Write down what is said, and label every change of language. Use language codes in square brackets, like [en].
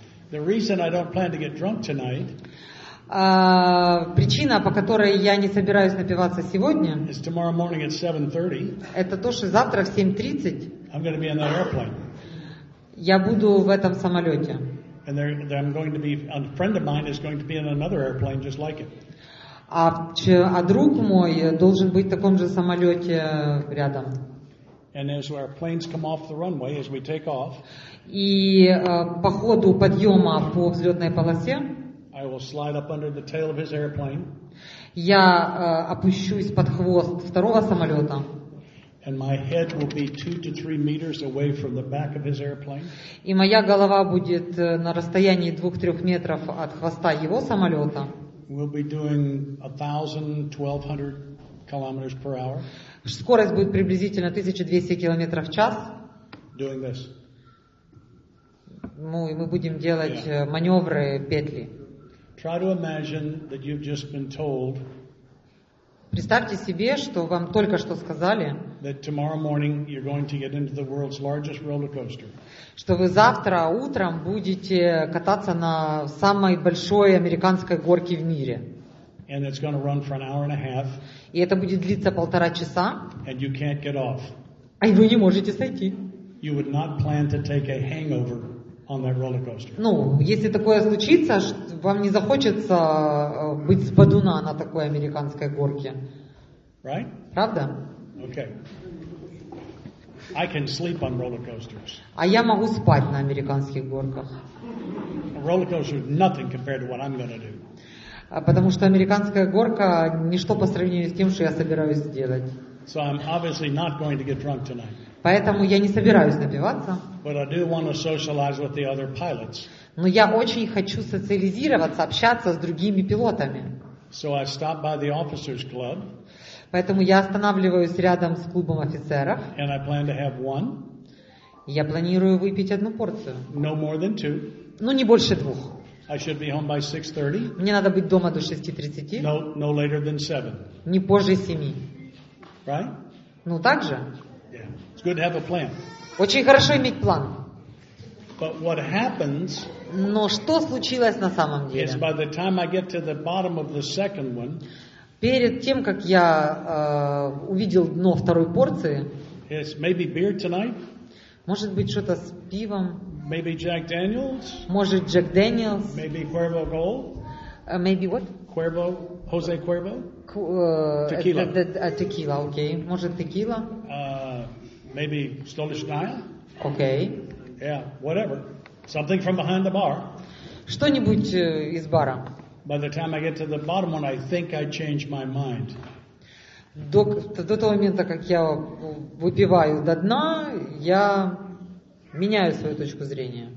[en] The reason I don't plan to get drunk tonight. [ru] Причина, по которой я не собираюсь напиваться сегодня. [en] Is tomorrow morning at 7:30. [ru] Это то, что завтра в 7:30. [en] I'm going to be on that airplane. [ru] Я буду в этом самолете. [en] And I'm going to be. A friend of mine is going to be in another airplane just like it. [ru] А друг мой должен быть в таком же самолете рядом. [en] And as our planes come off the runway, as we take off, [ru] и по ходу подъема по взлетной полосе, [en] I will slide up under the tail of his airplane. [ru] Я опущусь под хвост второго самолета. [en] And my head will be 2 to 3 meters away from the back of his airplane. [ru] И моя голова будет на расстоянии 2-3 метров от хвоста его самолета. [en] We'll be doing 1,000-1,200 kilometers per hour. [ru] Скорость будет приблизительно 1200 километров в час. [en] Doing this. [ru] Ну и мы будем делать маневры, петли. [en] Try to imagine that you've just been told. [ru] Представьте себе, что вам только что сказали. [en] That tomorrow morning you're going to get into the world's largest roller coaster. [ru] Что вы завтра утром будете кататься на самой большой американской горке в мире. [en] And it's going to run for an hour and a half. [ru] И это будет длиться 1.5 часа. [en] And you can't get off. [ru] А вы не можете сойти. [en] You would not plan to take a hangover on that roller coaster. [ru] Ну, если такое случится, вам не захочется быть спадуна на такой американской горке. [en] Right? [ru] Правда? [en] Okay. I can sleep on roller coasters. [ru] А я могу спать на американских горках. [en] roller coaster is nothing compared to what I'm going to do. [ru] Потому что американская горка ничто по сравнению с тем, что я собираюсь сделать. [en] So I'm obviously not going to get drunk tonight. [ru] Поэтому я не собираюсь напиваться. [en] But I do want to socialize with the other pilots. [ru] Но я очень хочу социализироваться, общаться с другими пилотами. [en] So I stop by the officers club. [ru] Поэтому я останавливаюсь рядом с клубом офицеров. [en] And I plan to have one. [ru] Я планирую выпить одну порцию. [en] No more than two. [ru] Ну не больше двух. [en] I should be home by 6:30. [ru] Мне надо быть дома до 6:30. [en] No later than 7. [ru] Не позже 7. [en] Right? [ru] Ну так же. [en] Yeah. It's good to have a plan. [ru] Очень хорошо иметь план. [en] But what happens? [ru] Но что случилось на самом деле? [en] Is by the time I get to the bottom of the second one. [ru] Перед тем, как я увидел дно второй порции. [en] Yes, maybe beer tonight. [ru] Может быть что-то с пивом. [en] Maybe Jack Daniels. [ru] Может Jack Daniels. [en] Maybe Cuervo Gold. Maybe what? Cuervo, Jose Cuervo. Tequila. Tequila, okay. [ru] Может tequila. [en] Maybe Stolichnaya. Okay. Yeah, whatever. Something from behind the bar. [ru] Что-нибудь из бара. [en] By the time I get to the bottom one, I think I changed my mind. [ru] До того момента, как я выпиваю до дна, я меняю свою точку зрения.